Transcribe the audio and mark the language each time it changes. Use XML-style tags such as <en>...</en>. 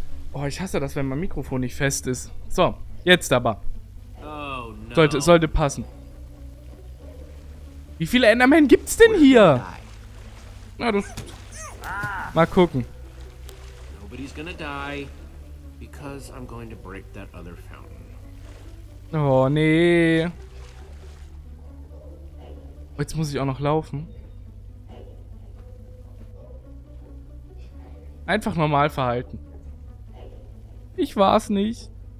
<de>Oh, ich hasse das, wenn mein Mikrofon nicht fest ist. So, jetzt aber. Sollte passen. Wie viele Endermen gibt's denn hier? Na, das... Mal gucken.</de> <en>Nobody's gonna die, because I'm going to break that other fountain.</en> <de>Oh, nee. Jetzt muss ich auch noch laufen. Einfach normal verhalten. Ich war's nicht.</de>